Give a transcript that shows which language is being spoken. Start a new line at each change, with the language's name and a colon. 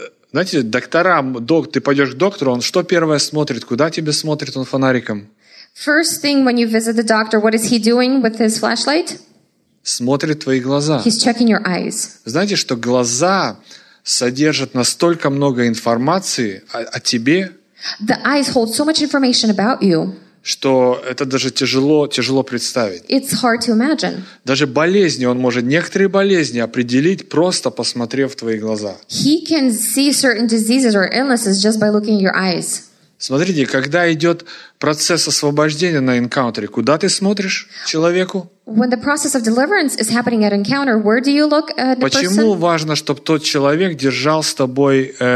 Russian: Знаете, доктора, ты пойдешь к доктору, он что первое смотрит? Куда тебе смотрит он фонариком?
English: First thing when you visit the doctor, what is he doing with his flashlight?
Russian: Смотрит твои глаза.
English: He's checking your eyes.
Russian: Знаете, что глаза содержат настолько много информации о тебе?
English: The eyes hold so much information about you.
Russian: Что это даже тяжело представить.
English: It's hard to imagine.
Russian: Даже болезни, он может некоторые болезни определить, просто посмотрев в твои глаза.
English: He can see certain diseases or illnesses just by looking at your eyes.
Russian: Смотрите, когда идет процесс освобождения на энкаунтере, куда ты смотришь человеку?
English: When the process of deliverance is happening at encounter, where do you look at the
Russian: Почему
English: person?
Russian: Важно, чтобы тот человек держал с тобой...